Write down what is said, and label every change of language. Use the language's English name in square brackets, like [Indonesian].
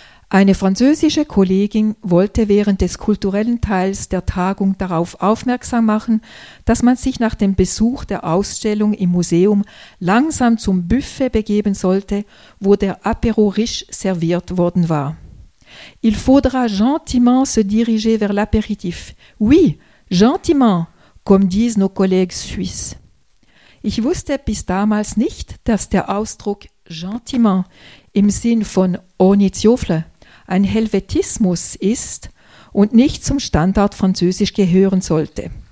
[German] Eine französische Kollegin wollte während des kulturellen Teils der Tagung darauf aufmerksam machen, dass man sich nach dem Besuch der Ausstellung im Museum langsam zum Buffet begeben sollte, wo der Apéro riche serviert worden war. [French] Il faudra gentiment se diriger vers l'apéritif. Oui, gentiment, comme disent nos collègues suisses. [German] Ich wusste bis damals nicht, dass der Ausdruck gentiment im Sinn von onitiofle ein Helvetismus ist und nicht zum Standard Französisch gehören sollte.